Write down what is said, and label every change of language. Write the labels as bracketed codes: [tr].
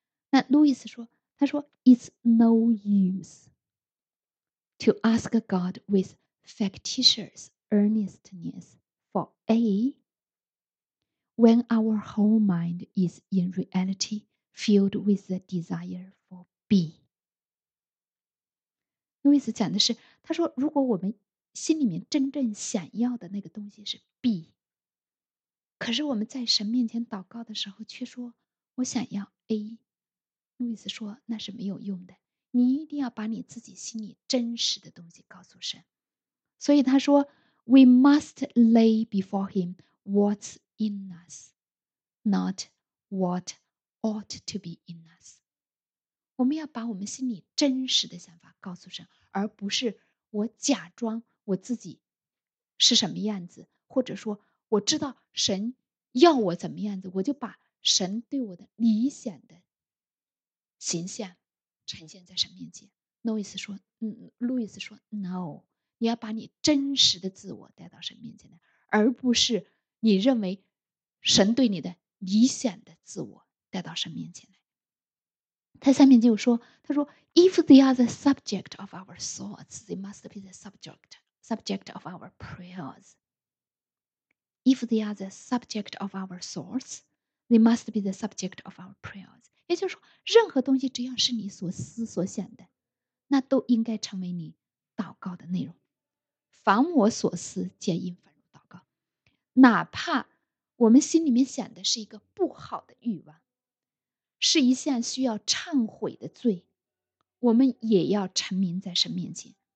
[zh] 那路易斯说，他说 [en] It's no use to ask God with factitious earnestness for A when our whole mind is in reality filled with the desire for B。 [zh] 路易斯讲的是，他说如果我们心里面真正想要的那个东西是 B。可是我们在神面前祷告的时候却说我想要 A， 路易斯说那是没有用的，你一定要把你自己心里真实的东西告诉神。所以他说 [en] We must lay before him what's in us, not what ought to be in us。 [zh] 我们要把我们心里真实的想法告诉神，而不是我假装我自己是什么样子，或者说我知道神要我怎么样子，我就把神对我的理想的形象呈现在神面前。路易斯说 No， 你要把你真实的自我带到神面前来，而不是你认为神对你的理想的自我带到神面前来。他下面就说，他说 [en] If they are the subject of our thoughts, they must be the subject of our prayers. If they are the subject of our thoughts, they must be the subject of our prayers. [zh] 也就是说，任何东西只要是你所思所想的，那都应该成为你祷告的内容。凡我所思皆应反入祷告。哪怕我们心里面想的是一个不好的欲望，是一项需要忏悔的罪，我们也要沉迷在神面前。